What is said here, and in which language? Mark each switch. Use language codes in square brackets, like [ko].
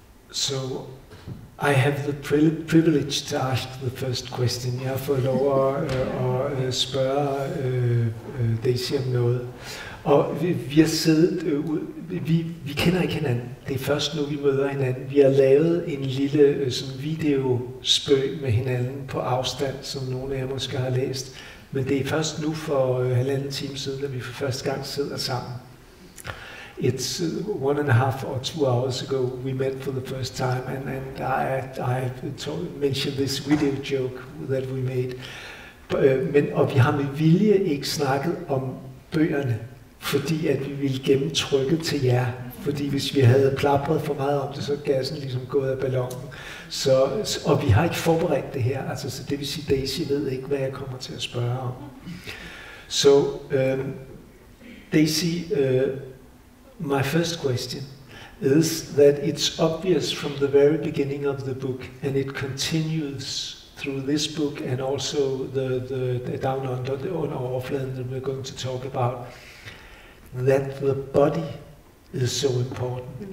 [en] So, I have the privilege to ask the first question. [da] Jeg får lov at spørge Daisy om noget. Og vi har siddet, vi kender ikke hinanden. Det er først nu, vi møder hinanden. Vi har lavet en lille videospøg med hinanden på afstand, som nogle af jer måske har læst. Men det er først nu for halvanden time siden, at vi for første gang sidder sammen. [en] It's 1.5 or 2 hours ago we met for the first time, and I mentioned this video joke that we made. [da] Men og vi har med vilje ikke snakket om bøgerne, fordi at vi ville gemme trykket til jer. Fordi hvis vi havde plapret for meget om det, så gassen ligesom gået af ballonen. Så, og vi har ikke forberedt det her, altså, så det vil sige, Daisy ved ikke, hvad jeg kommer til at spørge om. [en] Så Daisy, my first question is that it's obvious from the very beginning of the book, and it continues through this book and also the Down Under, the On Our Offland that we're going to talk about, that the body is so important.